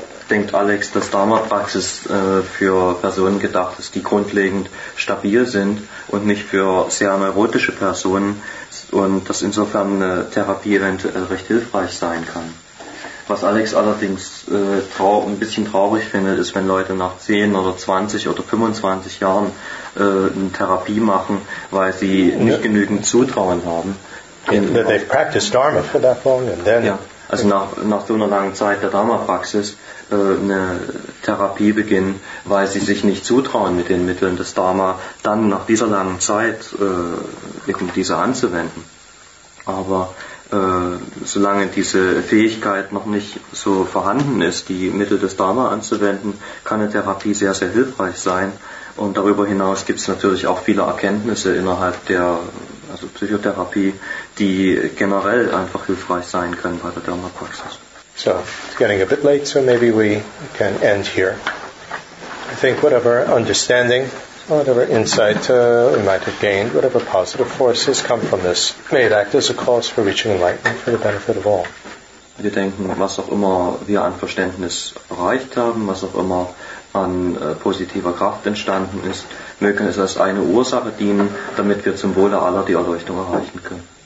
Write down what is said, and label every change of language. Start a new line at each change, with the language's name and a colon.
German: denkt Alex, dass Dharma-Praxis für Personen gedacht ist, die grundlegend stabil sind und nicht für sehr neurotische Personen und dass insofern eine Therapie eventuell recht hilfreich sein kann. Was Alex allerdings ein bisschen traurig findet, ist, wenn Leute nach 10 oder 20 oder 25 Jahren eine Therapie machen, weil sie nicht genügend Zutrauen haben.
English: That they've practiced Dharma for that long and then... Ja.
German: Also nach so einer langen Zeit der Dharma-Praxis eine Therapie beginnen, weil sie sich nicht zutrauen, mit den Mitteln des Dharma dann nach dieser langen Zeit eben diese anzuwenden. Aber solange diese Fähigkeit noch nicht so vorhanden ist, die Mittel des Dharma anzuwenden, kann eine Therapie sehr, sehr hilfreich sein. Und darüber hinaus gibt es natürlich auch viele Erkenntnisse innerhalb der Psychotherapie, die generell einfach hilfreich sein können bei der Dharma-Praxis.
English: So, it's getting a bit late, so maybe we can end here. I think whatever understanding, whatever insight we might have gained, whatever positive forces come from this, may it act as a cause for reaching enlightenment for the benefit of all. Wir denken, was auch immer wir an Verständnis erreicht haben, was auch immer an positiver Kraft entstanden ist, möge es als eine Ursache dienen, damit wir zum Wohle aller die Erleuchtung erreichen können.